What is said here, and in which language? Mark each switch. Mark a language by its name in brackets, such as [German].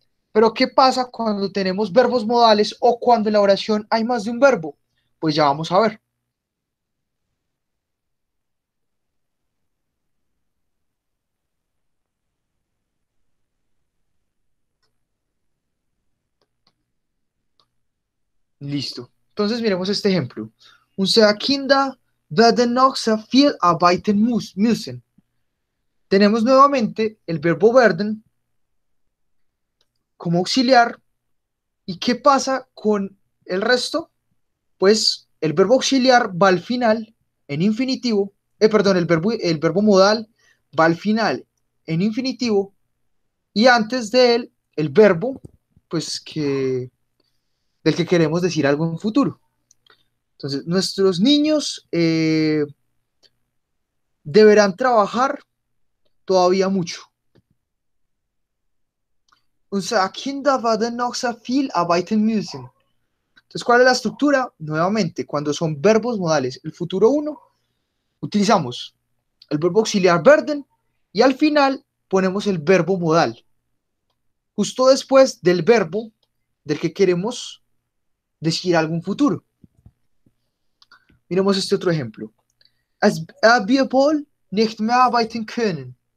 [Spanish] Pero ¿qué pasa cuando tenemos verbos modales o cuando en la oración hay más de un verbo? Pues ya vamos a ver. Listo. Entonces miremos este ejemplo. [German] unsere Kinder werden noch sehr viel arbeiten müssen. [Spanish] Tenemos nuevamente el verbo werden como auxiliar. ¿Y qué pasa con el resto? Pues el verbo auxiliar va al final en infinitivo. Perdón, el verbo modal va al final en infinitivo. Y antes de él, el verbo, pues que del que queremos decir algo en futuro. Entonces, nuestros niños deberán trabajar todavía mucho. [German] Unsere Kinder werden noch sehr viel arbeiten müssen. [Spanish] Entonces, ¿cuál es la estructura? Nuevamente, cuando son verbos modales, el futuro 1, utilizamos el verbo auxiliar werden y al final ponemos el verbo modal. Justo después del verbo del que queremos decir algún futuro. Miremos este otro ejemplo. [German] Es wir wohl nicht mehr arbeiten können.